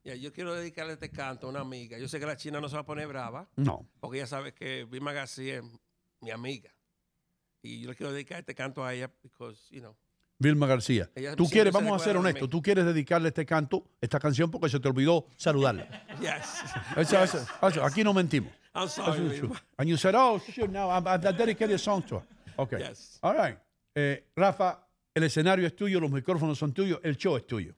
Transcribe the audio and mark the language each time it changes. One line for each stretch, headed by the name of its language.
Spanish: Yeah, yo quiero dedicarle este canto a una amiga. Yo sé que la china no se va a poner brava. No. Porque ella sabe que Vilma García es mi amiga. Y yo le quiero dedicar este canto a ella
English: because, you know.
Spanish: Vilma García. Ella, tú quieres, vamos a ser honestos, tú quieres dedicarle este canto, esta canción, porque se te olvidó saludarla.
English: Yes.
Spanish: Eso, aquí no mentimos.
English: I'm sorry, eso. And you said, oh, shit, now I dedicated a song to her. Okay. Yes. All right.
Spanish: Rafa, el escenario es tuyo, los micrófonos son tuyos, el show es tuyo.